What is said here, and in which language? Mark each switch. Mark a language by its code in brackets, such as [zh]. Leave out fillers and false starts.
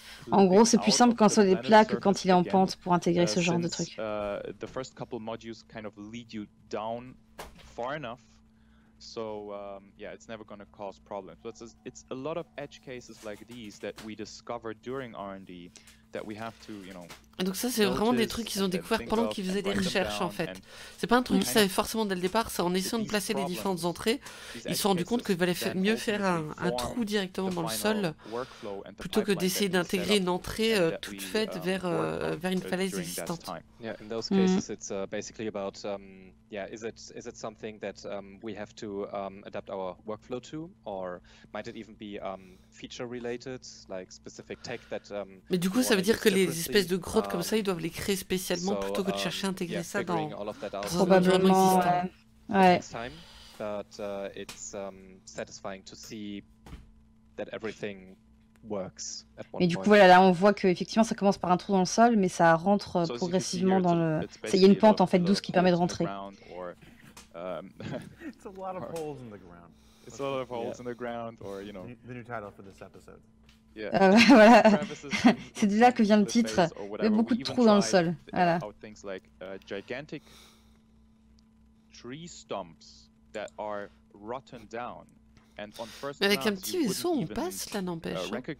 [fr] En gros, c'est plus simple quand c'est des plats que quand il est en pente pour intégrer ce genre de truc. [en] The first couple modules kind of lead you down far enough. So yeah, it's never going to cause problems. But it's a lot of edge cases like these that we discover during R&D that we have to, you know. [fr] Donc ça, c'est vraiment des trucs qu'ils ont découvert pendant qu'ils faisaient des recherches, en fait. C'est pas un truc qu'ils savaient forcément dès le départ. C'est en essayant de placer les différentes entrées, ils se sont rendu compte qu'il valait mieux faire un trou directement dans le sol plutôt que d'essayer d'intégrer une entrée toute faite vers une falaise existante. [en] Yeah, in those cases, it's basically about is it something that we have to adapt our workflow to, or might it even be feature related, like specific tech that. [fr] Mais du coup, ça veut dire que les espèces de grottes comme ça, ils doivent les créer spécialement plutôt que de chercher à intégrer ça dans probablement. [en] But it's satisfying to see that everything works. [fr] Mais du coup, voilà, là, on voit que effectivement, ça commence par un trou dans le sol, mais ça rentre progressivement dans le. Il y a une pente en fait douce qui permet de rentrer. [en] It's a lot of holes in the ground. It's a lot of holes in the ground, or you know. The new title for this episode. Yeah. [fr] Voilà. C'est de là que vient le titre. Il y a beaucoup de trous dans le sol. Voilà. [en] Things like gigantic tree stumps that are rotten down. And on first [fr] mais avec un petit vaisseau, on passe, là, n'empêche.